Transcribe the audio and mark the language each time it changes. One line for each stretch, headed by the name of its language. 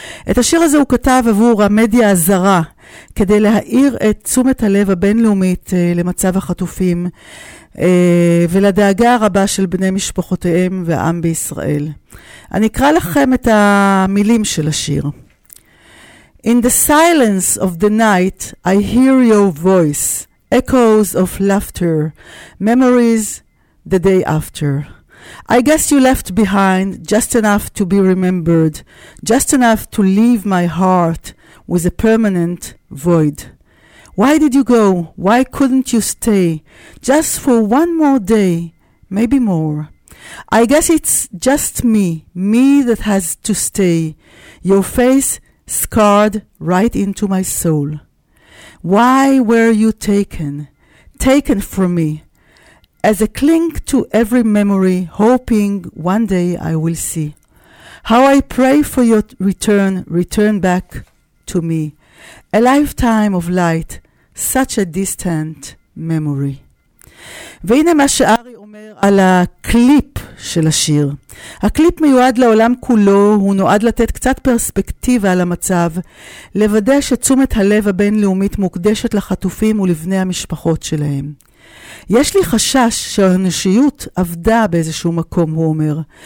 Hebrew: את השיר הזה הוא כתב עבור המדיה הזרה כדי להאיר את תשומת הלב הבינלאומית למצב החטופים ולדאגה הרבה של בני משפחותיהם והעם בישראל. אני אקרא לכם את המילים של השיר.
English: In the silence of the night, I hear your voice, echoes of laughter, memories the day after. I guess you left behind just enough to be remembered, just enough to leave my heart with a permanent void. Why did you go? Why couldn't you stay? Just for one more day, maybe more. I guess it's just me that has to stay. Your face scarred right into my soul. Why were you taken? Taken from me. As a cling to every memory, hoping one day I will see. How I pray for your return, return back to me. A lifetime of light, such a distant memory.
Hebrew: והנה מה שארי אומר על הקליפ של השיר. הקליפ מיועד לעולם כולו, הוא נועד לתת קצת פרספקטיבה על המצב, לוודא שתשומת הלב הבינלאומית מוקדשת לחטופים ולבני המשפחות שלהם. יש לי חשש שהאנושיות עבדה באיזשהו מקום, הוא אומר.